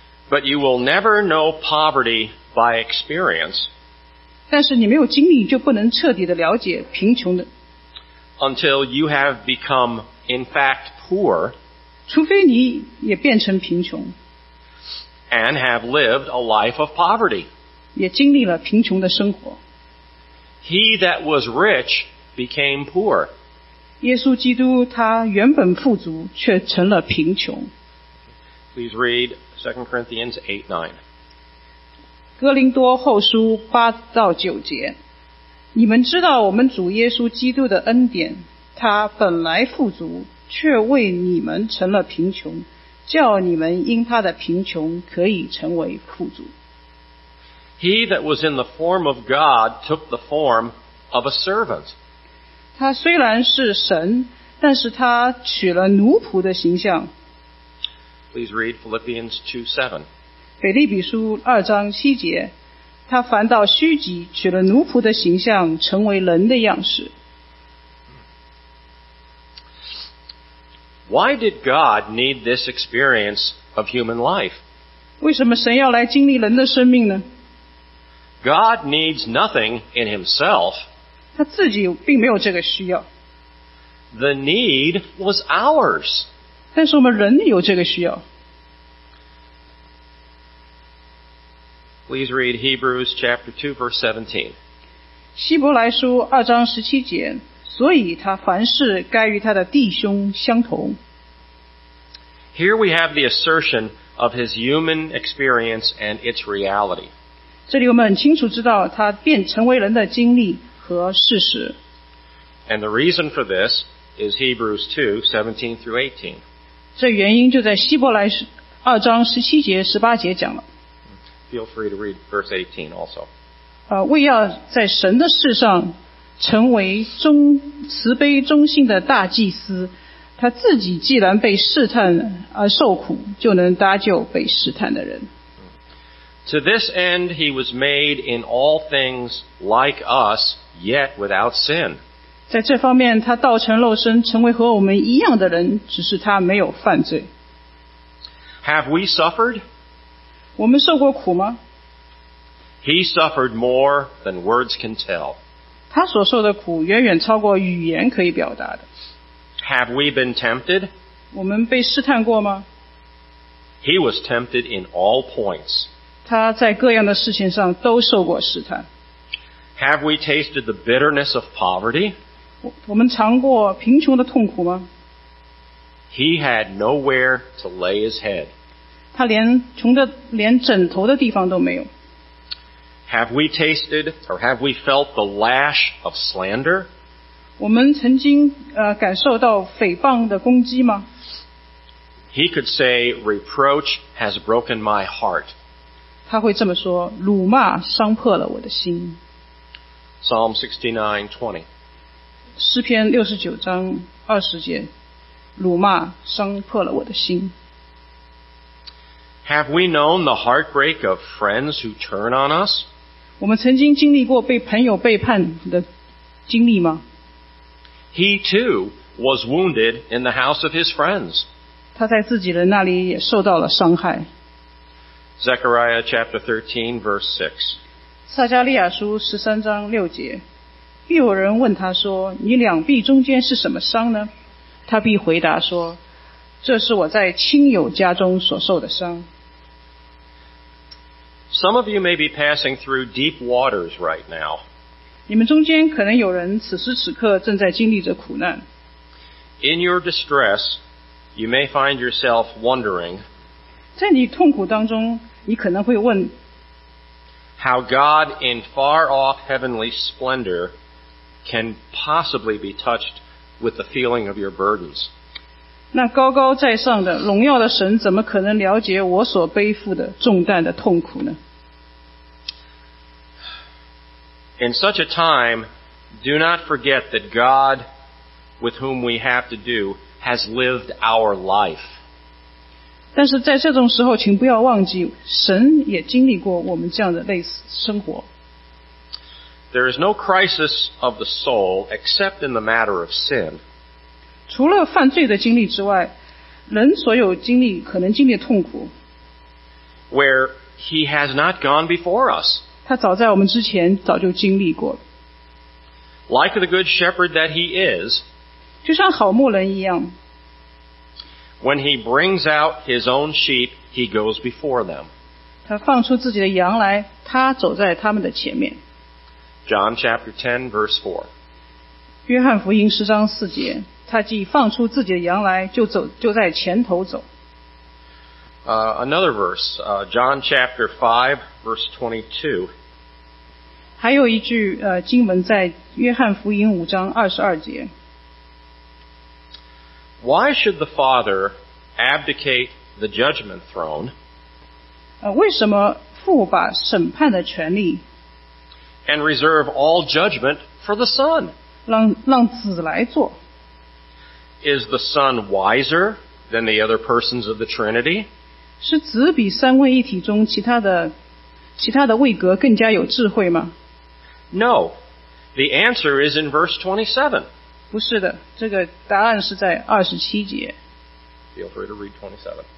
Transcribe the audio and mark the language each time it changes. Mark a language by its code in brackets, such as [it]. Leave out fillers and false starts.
[en] But you will never know poverty by experience. [zh] 但是你没有经历，就不能彻底的了解贫穷的。 [en] Until you have become, in fact, poor. [zh] 除非你也变成贫穷。 [en] And have lived a life of poverty. [zh] 也经历了贫穷的生活。 [en] He that was rich became poor. [zh] 耶稣基督他原本富足，却成了贫穷。 [en] Please read 2 Corinthians 8:9. [zh] 哥林多后书八到九节，你们知道我们主耶稣基督的恩典，他本来富足，却为你们成了贫穷，叫你们因他的贫穷可以成为富足。 [en] He that was in the form of God took the form of a servant. [zh] 他虽然是神，但是他取了奴仆的形象。 [en] Please read Philippians 2:7. [zh] 腓立比书二章七节，他反倒虚己，取了奴仆的形象，成为人的样式。 [en] Why did God need this experience of human life? [zh] 为什么神要来经历人的生命呢？ [en] God needs nothing in himself. [zh] 他自己并没有这个需要。 [en] The need was ours. [zh] 但是我们人有这个需要。 [en] Please read Hebrews chapter 2 verse 17. [zh] 希伯来书二章十七节，所以他凡事该与他的弟兄相同。 [en] Here we have the assertion of his human experience and its reality. [zh] 这里我们很清楚知道他变成为人的经历和事实。 [en] And the reason for this is Hebrews 2:17 through 18. [zh] 这原因就在希伯来二章十七节、十八节讲了。 [en] Feel free to read verse 18 also. [zh] 为要在神的事上成为忠慈悲忠信的大祭司，他自己既然被试探而受苦，就能搭救被试探的人。 [en] To this end, he was made in all things like us, yet without sin. [zh] 在这方面，他道成肉身，成为和我们一样的人，只是他没有犯罪。 [en] Have we suffered? [zh] 我们受过苦吗？ [en] He suffered more than words can tell. [zh] 他所受的苦远远超过语言可以表达的。 [en] Have we been tempted? [zh] 我们被试探过吗？ [en] He was tempted in all points. [zh] 他在各样的事情上都受过试探。 [en] Have we tasted the bitterness of poverty? [zh] 我们尝过贫穷的痛苦吗？ [en] He had nowhere to lay his head. [zh] 他连枕头的地方都没有。 [en] Have we tasted or have we felt the lash of slander? [zh] 我们曾经感受到诽谤的攻击吗？ [en] He could say, reproach has broken my heart. [zh] 他会这么说，辱骂伤破了我的心。 [en] Psalm 69:20. [zh] 诗篇69章20节，辱骂伤破了我的心。 [en] Have we known the heartbreak of friends who turn on us? [zh] 我们曾经经历过被朋友背叛的经历吗？ [en] He too was wounded in the house of his friends. [zh] 他在自己人那里也受到了伤害。 [en] Zechariah chapter 13 verse 6. [zh] 撒迦利亚书十三章六节，必有人问他说，你两臂中间是什么伤呢？他必回答说，这是我在亲友家中所受的伤。 [en] Some of you may be passing through deep waters right now. [zh] 你们中间可能有人此时此刻正在经历着苦难。 [en] In your distress, you may find yourself wondering, [zh] 在你痛苦当中，你可能会问， [en] How God in far off heavenly splendor can possibly be touched with the feeling of your burdens? [zh] 那高高在上的荣耀的神怎么可能了解我所背负的重担的痛苦呢？ [en] In such a time, do not forget that God, with whom we have to do, has lived our life. [zh] 但是在这种时候，请不要忘记，神也经历过我们这样的类似生活。 [en] There is no crisis of the soul except in the matter of sin. [zh] 除了犯罪的经历之外，人所有经历可能经历的痛苦。 [en] Where he has not gone before us. [zh] 他早在我们之前早就经历过了。 [en] Like the good shepherd that he is, [zh] 就像好牧人一样。 [en] When he brings out his own sheep, he goes before them. [zh] 他放出自己的羊来，他走在他们的前面。 [en] John chapter 10 verse 4. [zh] 约翰福音十章四节，他既放出自己的羊来，就在前头走。 [en] Another verse, John chapter 5, verse 22. [zh] 还有一句经文在约翰福音五章二十二节。 [en] Why should the Father abdicate the judgment throne? [zh] 为什么父父把审判的权利 [en] and reserve all judgment for the Son. [zh] 让子来做。 [en] Is the Son wiser than the other persons of the Trinity? [zh] 是子比三位一体中其他的位格更加有智慧吗？ [en] No. The answer is in verse 27. [zh] 不是的，这个答案是在二十七节。 [en] Feel free to read 27.